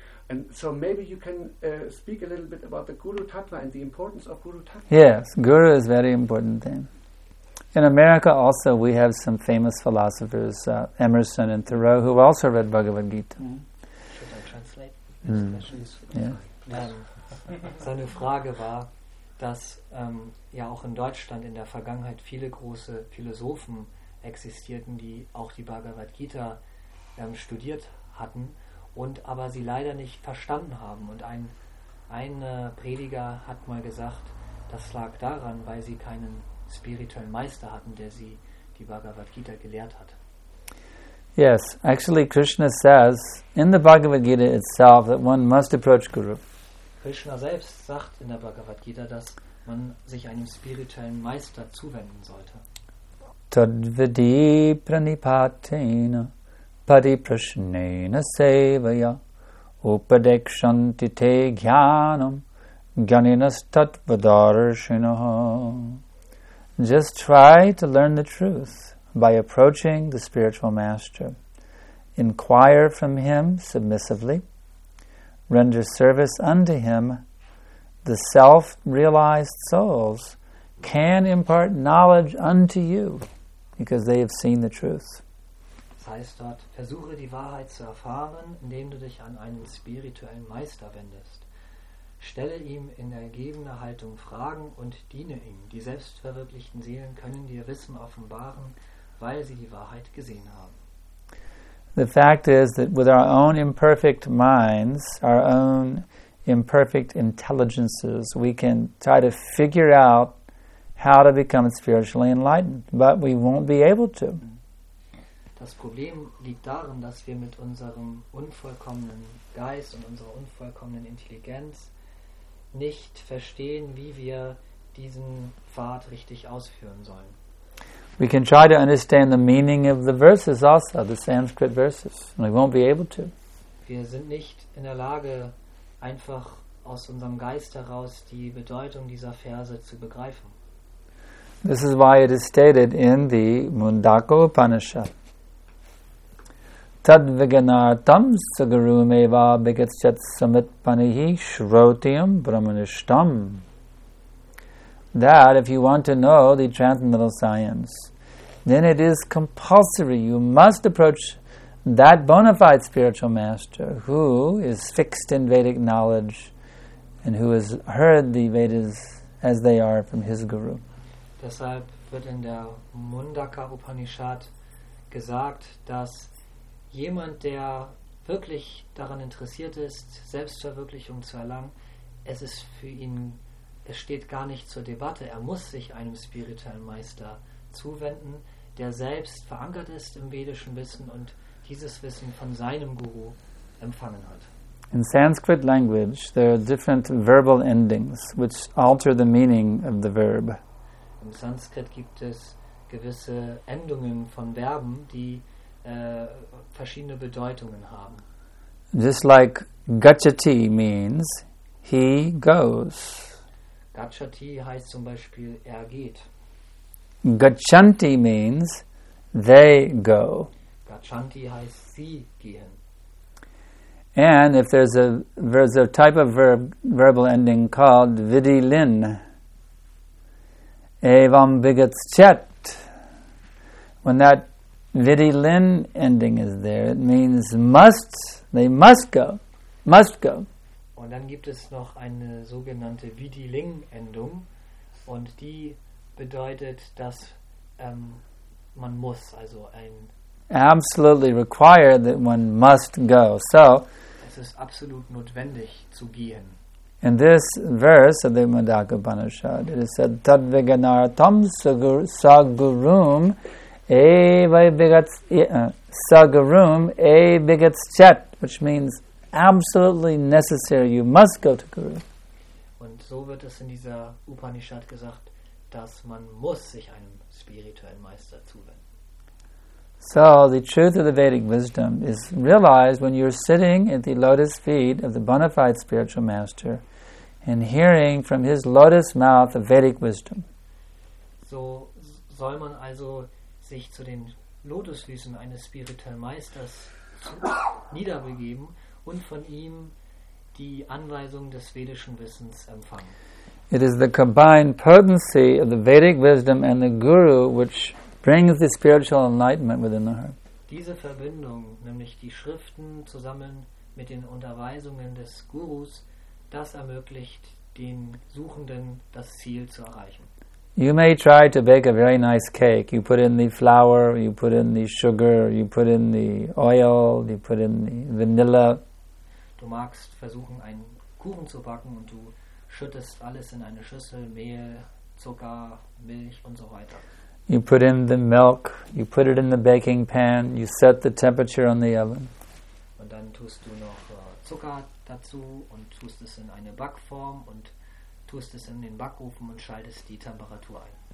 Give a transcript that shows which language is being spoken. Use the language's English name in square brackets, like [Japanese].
[English] And so maybe you can speak a little bit about the Guru Tattva and the importance of Guru Tattva. Yes, guru is very important then. In America also we have some famous philosophers, Emerson and Thoreau, who also read Bhagavad Gita. Mm. Should I translate? [German] Seine Frage war, dass ja auch in Deutschland in der Vergangenheit viele große Philosophen existierten, die auch die Bhagavad Gita studiert hatten, und aber sie leider nicht verstanden haben. Und ein Prediger hat mal gesagt, das lag daran, weil sie keinen spirituellen Meister hatten, der sie die Bhagavad Gita gelehrt hat. [English] Yes, actually Krishna says in the Bhagavad Gita itself that one must approach Guru. [German] Krishna selbst sagt in der Bhagavad Gita, dass man sich einem spirituellen Meister zuwenden sollte. [Sanskrit] Tadvidi pranipatena pariprasnena sevaya upadekshanti te jnanam jnaninas tatvadarshinah. [English] Just try to learn the truth by approaching the spiritual master. Inquire from him submissively. Render service unto him. The self-realized souls can impart knowledge unto you, because they have seen the truth. [German] Das heißt dort, versuche die Wahrheit zu erfahren, indem du dich an einen spirituellen Meister wendest. Stelle ihm in ergebener Haltung Fragen und diene ihm. Die selbstverwirklichten Seelen können dir Wissen offenbaren, weil sie die Wahrheit gesehen haben. [English] The fact is that with our own imperfect minds, our own imperfect intelligences, we can try to figure out how to become spiritually enlightened, but we won't be able to. [German] Das Problem liegt darin, dass wir mit unserem unvollkommenen Geist und unserer unvollkommenen Intelligenz nicht verstehen, wie wir diesen Pfad richtig ausführen sollen. [English] We can try to understand the meaning of the verses also, the Sanskrit verses, and we won't be able to. [German] Wir sind nicht in der Lage, einfach aus unserem Geist heraus die Bedeutung dieser Verse zu begreifen. [English] This is why it is stated in the Mundaka Upanishad. [Sanskrit] Tad viganartam sagarum eva bigatschat samitpanihi shrotiam brahmanishtam. [English] That if you want to know the transcendental science, then it is compulsory. You must approach that bona fide spiritual master who is fixed in Vedic knowledge and who has heard the Vedas as they are from his guru. [German] Deshalb wird in der Mundaka Upanishad gesagt, dass jemand, der wirklich daran interessiert ist, Selbstverwirklichung zu erlangen, es ist für ihn, es steht gar nicht zur Debatte. Er muss sich einem spirituellen Meister zuwenden, der selbst verankert ist im vedischen Wissen und dieses Wissen von seinem Guru empfangen hat. [English] In Sanskrit language, there are different verbal endings, which alter the meaning of the verb. [German] Im Sanskrit gibt es gewisse Endungen von Verben, die verschiedene Bedeutungen haben. [English] Just like gacchati means he goes. [German] Gacchati heißt zum Beispiel er geht. [English] Gacchanti means they go. [German] Gacchanti heißt sie gehen. [English] And if there's a type of verbal ending called vidilin. [Sanskrit] Evam vigatschet. [English] When that vidilin ending is there, it means must, they must go, must go. [German] Und dann gibt es noch eine sogenannte vidilin Endung und die bedeutet, dass man muss, also ein [English] absolutely required that one must go. So [German] es ist absolut notwendig zu gehen. [English] In this verse of the Mundaka Upanishad, it is said, [Sanskrit] Tad viganartam sagurum e bigatschet, [English] which means absolutely necessary, you must go to Guru. [German] Und so wird es in dieser Upanishad gesagt, dass man muss sich einem spirituellen Meister zuwenden. [English] So, the truth of the Vedic wisdom is realized when you're sitting at the lotus feet of the bona fide spiritual master, and hearing from his lotus mouth of Vedic wisdom. [German] So soll man also sich zu den Lotusfüßen eines spirituellen Meisters niederbegeben und von ihm die Anweisung des vedischen Wissens empfangen. [English] It is the combined potency of the Vedic wisdom and the Guru which brings the spiritual enlightenment within the heart. [German] Diese Verbindung, nämlich die Schriften zusammen mit den Unterweisungen des Gurus, das ermöglicht den Suchenden, das Ziel zu erreichen. [English] You may try to bake a very nice cake. You put in the flour, you put in the sugar, you put in the oil, you put in the vanilla. [German] Du magst versuchen, einen Kuchen zu backen und du schüttest alles in eine Schüssel, Mehl, Zucker, Milch und so weiter. [English] You put in the milk, you put it in the baking pan, you set the temperature on the oven. [German] Und dann tust du noch Zucker dazu und tust es in eine Backform und tust es in den Backofen und schaltest die Temperatur ein.